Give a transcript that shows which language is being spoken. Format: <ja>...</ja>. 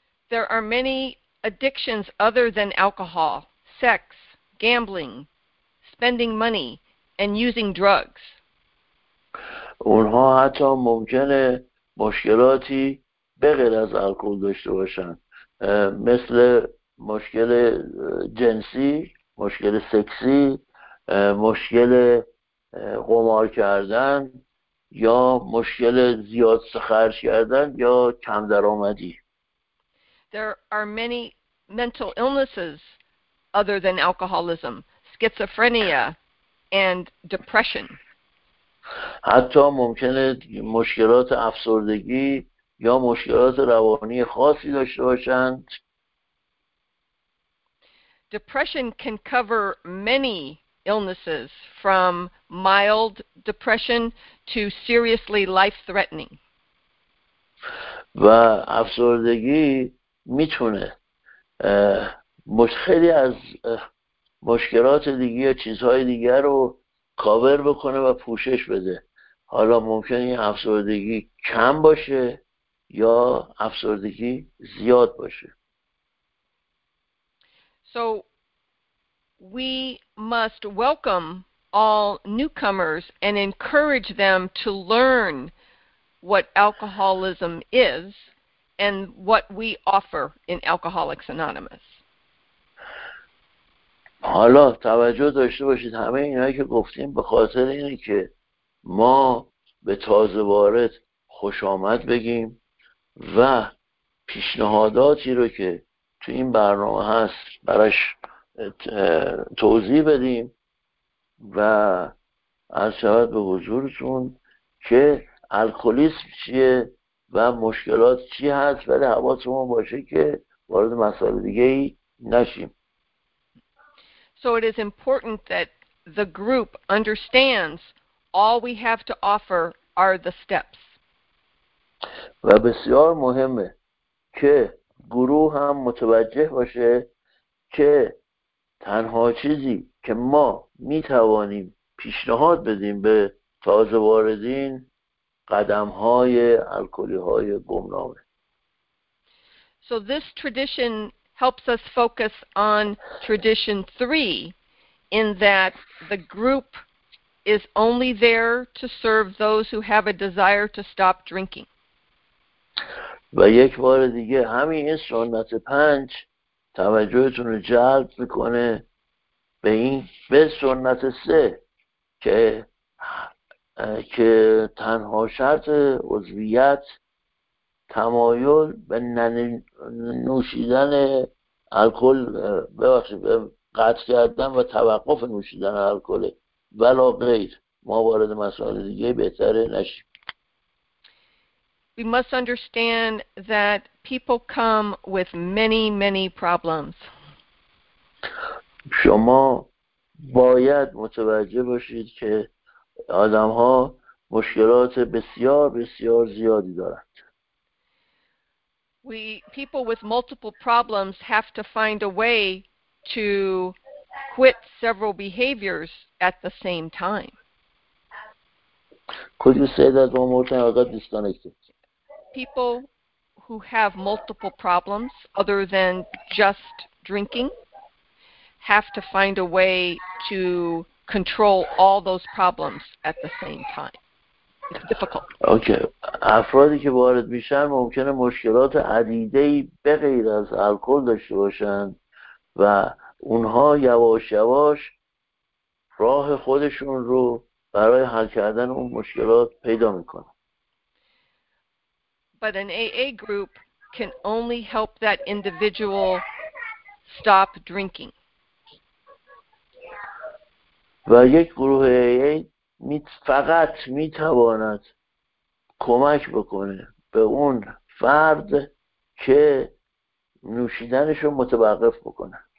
<en>There are many addictions other than alcohol, sex, gambling, spending money, and using drugs.</en> <fa>اونها حتی ممکنه مشکلاتی بغیر از الکل داشته باشن، مثل مشکل جنسی، مشکل سکسی، مشکل قمار کردن یا مشکل زیاد خرج کردن یا کم درآمدی.</fa> <en>There are many mental illnesses other than alcoholism, schizophrenia and depression.</en> <fa>حتی ممکنه مشکلات افسردگی یا مشکلات روانی خاصی داشته باشند.</fa> <en>Depression can cover many illnesses from mild depression to seriously life-threatening.</en> <fa>و افسردگی میتونه خیلی از مشکلات دیگه چیزهای دیگر رو کاور بکنه و پوشش بده. حالا ممکنه این افسردگی کم باشه یا افسردگی زیاد باشه.</fa> <en>So we must welcome all newcomers and encourage them to learn what alcoholism is and what we offer in Alcoholics Anonymous.</en> <fa>حالا توجه داشته باشید همه اینایی که گفتیم به خاطر اینه که ما به تازه وارد خوش آمد بگیم و پیشنهاداتی رو که تو این برنامه هست براش توضیح بدیم و از شبت به حضورتون که الکلیسم چیه و مشکلات چی هست، ولی حواسمون باشه که وارد مسائل دیگه ای نشیم.</fa> <en>So it is important that the group understands all we have to offer are the steps.</en> <fa>و بسیار مهمه که گروه هم متوجه باشه که تنها چیزی که ما می توانیم پیشنهاد بدیم به تازه واردین قدم های الکلی های گمنامه.</fa> <en>So this tradition helps us focus on tradition 3 in that the group is only there to serve those who have a desire to stop drinking.</en> <fa>و یک بار دیگه همین این سنت 5 توجهتون رو جلب میکنه به این به سنت 3 که تنها شرط عضویت تمایل به نوشیدن الکل به قطع کردن و توقف نوشیدن الکل ولا غیر. ما وارد مسائل دیگه بهتره نشیم.</fa> <en>We must understand that people come with many many problems.</en> <fa>شما باید متوجه باشید که آدم ها مشکلات بسیار بسیار زیادی دارند.</fa> <en>People with multiple problems have to find a way to quit several behaviors at the same time. Could you say that one more time? I got disconnected. People who have multiple problems other than just drinking have to find a way to control all those problems at the same time. Okay.</en> <fa>افرادی که وارد میشن ممکنه مشکلات عدیده‌ای به غیر از الکل داشته باشن و اونها یواش یواش راه خودشون رو برای حل کردن اون مشکلات پیدا میکنن.</fa> <en>But an AA group can only help that individual stop drinking.</en> <fa>و یک گروه AA فقط میتواند کمک بکنه به اون فرد که نوشیدنشو متوقف بکنه.</fa>